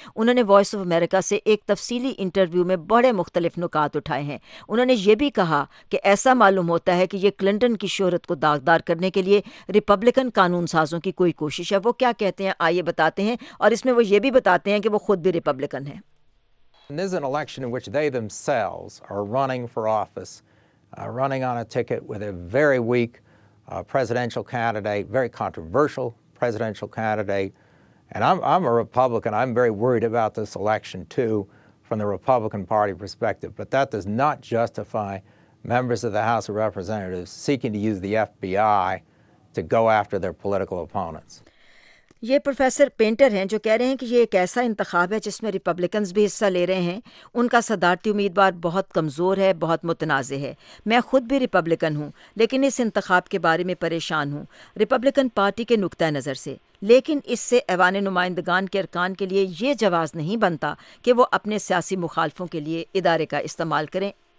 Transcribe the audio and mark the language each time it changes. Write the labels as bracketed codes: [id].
[ur] انہوں نے voice of America سے ایک تفصیلی انٹرویو میں بڑے مختلف نکات اٹھائے ہیں. انہوں نے یہ بھی کہا کہ ایسا معلوم ہوتا ہے کہ یہ کلنٹن کی شہرت کو داغدار کرنے کے لیے ریپبلکن قانون سازوں کی کوئی کوشش ہے. وہ کیا کہتے ہیں آئیے بتاتے ہیں, اور اس میں وہ یہ بھی بتاتے ہیں کہ وہ خود بھی ریپبلکن ہیں. [en] This is an election in which they themselves are running for office, running on a ticket with a very weak presidential candidate, very controversial presidential candidate. And I'm a Republican. I'm very worried about this election, too, from the Republican Party perspective. But that does not justify members of the House of Representatives seeking to use the FBI to go after their political opponents. [ur] یہ professor painter ہیں جو کہہ رہے ہیں کہ یہ ایک ایسا انتخاب ہے جس میں ریپبلکنز بھی حصہ لے رہے ہیں. ان کا صدارتی امیدوار بہت کمزور ہے, بہت متنازع ہے. میں خود بھی ریپبلکن ہوں لیکن اس انتخاب کے بارے میں پریشان ہوں, ریپبلکن پارٹی کے نقطہ نظر سے. لیکن اس سے ایوان نمائندگان کے ارکان کے لیے یہ جواز نہیں بنتا کہ وہ اپنے سیاسی مخالفوں کے لیے ادارے کا استعمال کریں.